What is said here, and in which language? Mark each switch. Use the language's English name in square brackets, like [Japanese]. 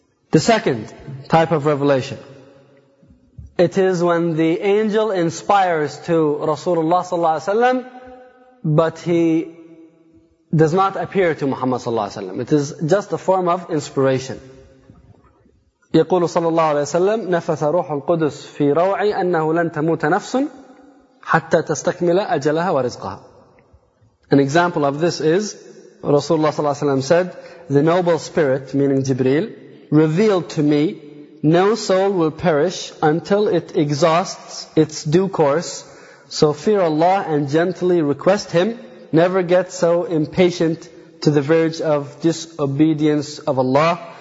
[English] The second type of revelation, it is when the angel inspires to Rasulullah sallallahu alayhi wa sallam, but he does not appear to Muhammad sallallahu alayhi wa sallam. It is just a form of inspiration. [Arabic] يقول صلى الله عليه وسلم نفث روح القدس في روعي أنه لن تموت نفس حتى تستكمل أجلها ورزقها. [English] An example of this is Rasulullah sallallahu alayhi wa sallam said, the noble spirit, meaning Jibreel, revealed to me, no soul will perish until it exhausts its due course. So fear Allah and gently request Him. Never get so impatient to the verge of disobedience of Allah.